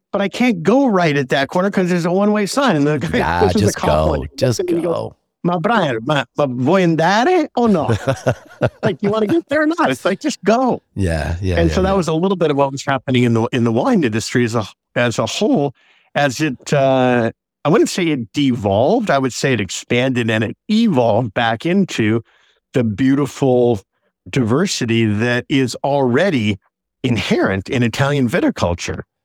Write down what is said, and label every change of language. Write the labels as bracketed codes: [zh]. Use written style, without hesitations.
[en] But I can't go right at that corner because there's a one-way sign. And the guy pushes the car. Just go. Just go. [it] Ma Brian, ma vuoi andare o no? [en] Like, you want to get there or not? It's like, just go. Yeah. And so that was a little bit of what was happening in the wine industry as a whole. As it, I wouldn't say it devolved. I would say it expanded and it evolved back into the beautiful diversity that is already inherent in Italian viticulture.